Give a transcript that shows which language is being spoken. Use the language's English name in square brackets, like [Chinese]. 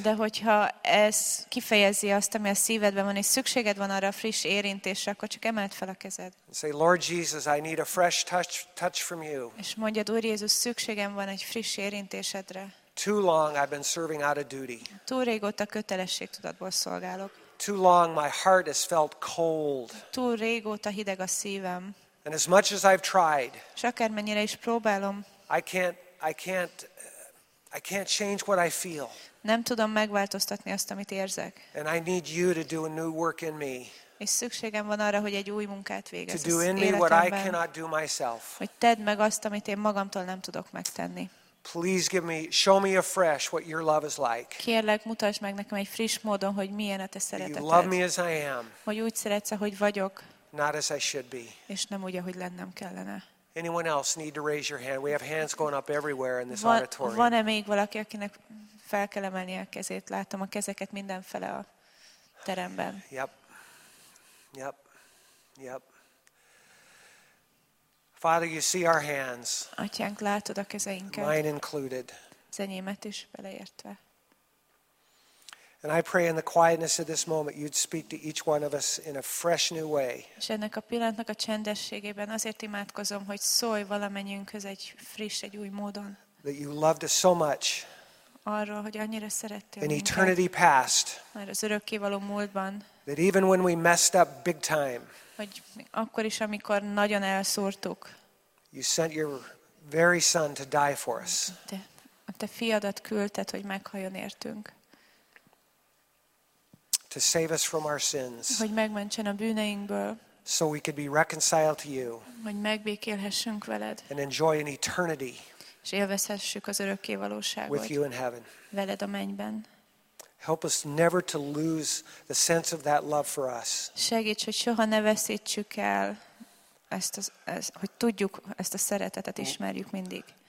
[Hungarian] De hogyha ez kifejezi azt, ami a szívedben van, és szükséged van arra a friss érintésre, akkor csak emeld fel a kezed. [English] Say, Lord Jesus, I need a fresh touch from you. [Hungarian] És mondjad, Úr Jézus, szükségem van egy friss érintésedre. [English] Too long I've been serving out of duty. [Hungarian] Túl régóta kötelességtudatból szolgálok. [English] Too long my heart has felt cold. [Hungarian] Túl régóta hideg a szívem. [English] And as much as I've tried, [Hungarian] akármennyire is próbálom, [English] I can't change what I feel. [Hungarian] Nem tudom megváltoztatni azt, amit érzek. [English] And I need you to do a new work in me. [Hungarian] És szükségem van arra, hogy egy új munkát végezz. [English] To do in me what I cannot do myself. [Hungarian] Hogy tedd meg azt, amit én magamtól nem tudok megtenni. [English] Please give me, show me afresh what your love is like. [Hungarian] Kérlek, mutasd meg nekem egy friss módon, hogy milyen a te szereteted. [English] You love me as I am. [Hungarian] Hogy úgy szeretsz, ahogy vagyok. [English] Not as I should be. [Hungarian] És nem úgy, ahogy lennem kellene. [English] Anyone else need to raise your hand? We have hands going up everywhere in this auditorium. [Hungarian] Van-e még valaki, akinek fel kell emelni a kezét? Látom a kezeket mindenfele a teremben. [English] Yep. Father, you see our hands. [Hungarian] Atyánk, látod a kezeinket. [English] Mine included. [Hungarian] Az enyémet is beleértve. [English] And I pray in the quietness of this moment you'd speak to each one of us in a fresh new way. [Hungarian] És ennek a pillanatnak a csendességében azért imádkozom, hogy szólj valamennyünkhöz egy friss, egy új módon. [English] That you loved us so much. [Hungarian] Arról, hogy annyira szerettél minket. [English] In eternity past. [Hungarian] Már az örökkévaló múltban. [English] That even when we messed up big time. [Hungarian] Hogy akkor is, amikor nagyon elszúrtuk. [English] You sent your very son to die for us. [Hungarian] Te fiadat küldted, hogy meghaljon értünk. [English] To save us from our sins. [Hungarian] Hogy megmentsen a bűneinkből. [English] So we could be reconciled to you. [Hungarian] Hogy megbékélhessünk veled. [English] And enjoy an eternity. [Hungarian] És élvezhessük az örökké valóságot. [English] With you in heaven. [Hungarian] Veled a mennyben. [English] Help us never to lose the sense of that love for us. [Hungarian] Segíts, hogy soha ne veszítsük el hogy tudjuk ezt a szeretetet, ismerjük mindig.